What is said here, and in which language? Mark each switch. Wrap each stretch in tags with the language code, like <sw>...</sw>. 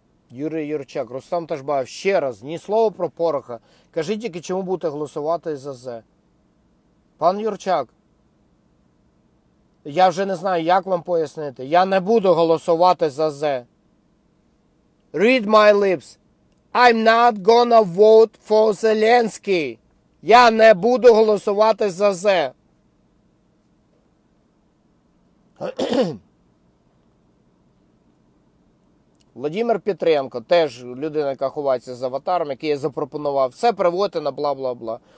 <uk>Юрій Юрчак, Рустам Ташбаєв, ще раз, ні слова про Пороха. Кажіть тільки, чому будете голосувати за ЗЕ. Пан Юрчак, я вже не знаю, як вам пояснити. Я не буду голосувати за ЗЕ.</uk> <en>Read my lips. I'm not gonna vote for Zelensky.</en> <uk>Я не буду голосувати за ЗЕ. Володимир Петренко, теж людина, яка ховається за аватаром, який я запропонував, все переводити на бла-бла-бла.</uk>